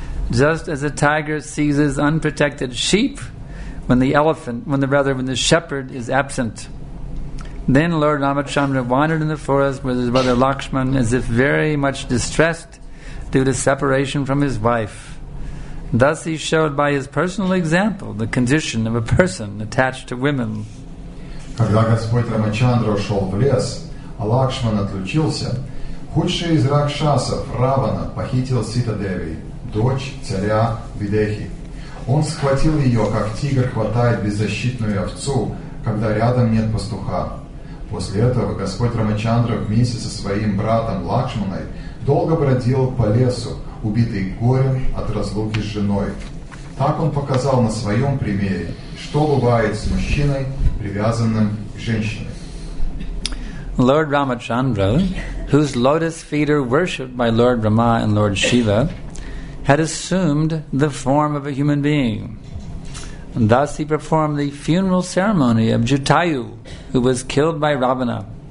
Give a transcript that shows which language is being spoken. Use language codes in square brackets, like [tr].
[en] Just as a tiger seizes unprotected sheep, when the shepherd is absent. Then Lord Ramachandra wandered in the forest with his brother Lakshman, as if very much distressed due to separation from his wife. Thus he showed by his personal example the condition of a person attached to women. [ru] Когда Господь Рамачандра ушел в лес, а Лакшман отлучился, худший из ракшасов, Равана, похитил Ситадеви, дочь царя Видехи. Он схватил ее, как тигр хватает беззащитную овцу, когда рядом нет пастуха. После этого Господь Рамачандра вместе со своим братом Лакшманой долго бродил по лесу, убитый горем от разлуки с женой. Так он показал на своем примере, что бывает с мужчиной, привязанным к женщине. [en] Lord Ramachandra, whose lotus feet are worshipped by Lord Rama and Lord Shiva, had assumed the form of a human being. And thus he performed the funeral ceremony of Jutayu, who was killed by Ravana.